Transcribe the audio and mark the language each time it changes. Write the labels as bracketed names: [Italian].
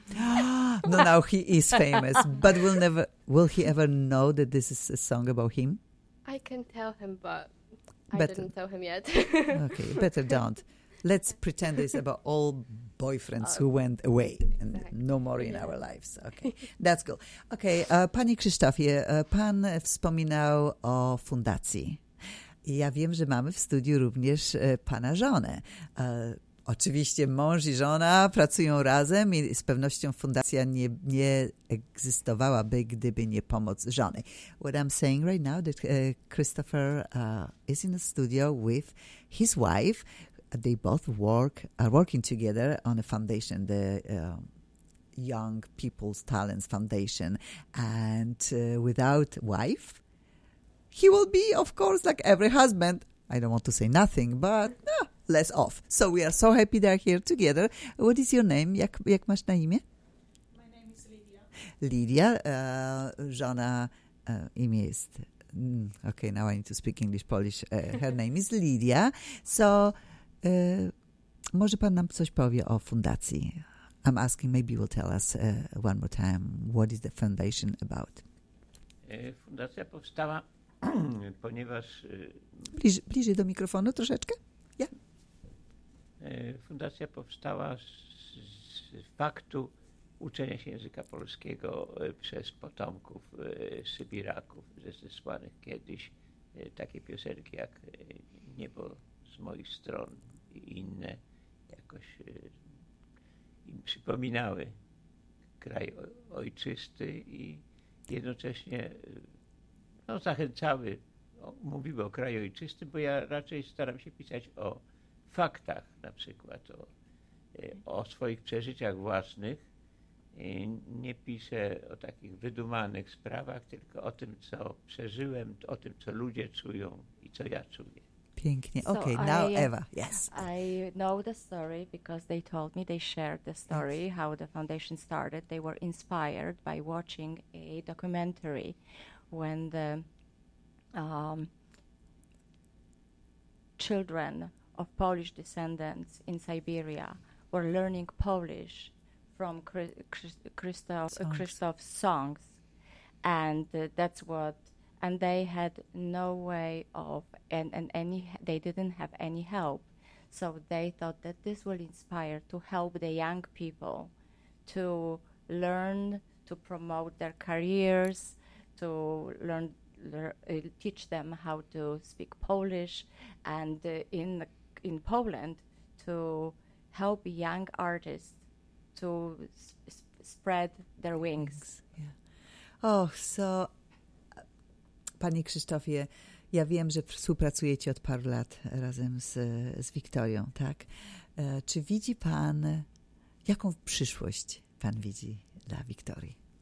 [English] No, now he is famous, but will he ever know that this is a song about him? I can tell him, but better. I didn't tell him yet. Okay, better don't. Let's pretend this about all boyfriends who went away and no more in our lives. Okay, that's cool. [Polish] Okay, panie Krzysztofie, pan wspominał o fundacji. Ja wiem, że mamy w studiu również pana żonę. Oczywiście mąż i żona pracują razem i z pewnością fundacja nie egzystowałaby, gdyby nie pomoc żony. [English] What I'm saying right now that Christopher is in the studio with his wife. They both are working together on a foundation, the Young People's Talents Foundation. And without wife, he will be, of course, like every husband. I don't want to say nothing, but... less off. So we are so happy they are here together. What is your name? [Polish] Jak masz na imię? [English] My name is Lydia. [Polish] Żona, imię jest... [English] okay, now I need to speak English, Polish. Her name is Lydia. [Polish] So może pan nam coś powie o fundacji? [English] I'm asking, maybe you will tell us one more time, what is the foundation about? [Polish] Fundacja powstała, ponieważ... Bliżej do mikrofonu troszeczkę? Fundacja powstała z faktu uczenia się języka polskiego przez potomków Sybiraków, zesłanych kiedyś. Takie piosenki jak Niebo z moich stron i inne jakoś im przypominały kraj ojczysty i jednocześnie no, zachęcały, mówiły o kraju ojczystym, bo ja raczej staram się pisać o faktach, na przykład o swoich przeżyciach własnych. Nie piszę o takich wydumanych sprawach, tylko o tym, co przeżyłem, o tym, co ludzie czują i co ja czuję. Pięknie. [English] Okay, so now Eva. Yes. I know the story because they told me, they shared the story, yes, how the foundation started. They were inspired by watching a documentary when the children of Polish descendants in Siberia were learning Polish from Krzysztof's songs, and that's what, and they had no way of, and any, they didn't have any help, so they thought that this will inspire to help the young people to learn, to promote their careers, to learn, teach them how to speak Polish, and in Poland, to help young artists to spread their wings. Yeah. [Polish] Oh, so, panie Krzysztofie, ja wiem, że współpracujecie od paru lat razem z Wiktorią, tak? Czy widzi pan, jaką przyszłość pan widzi dla Wiktorii?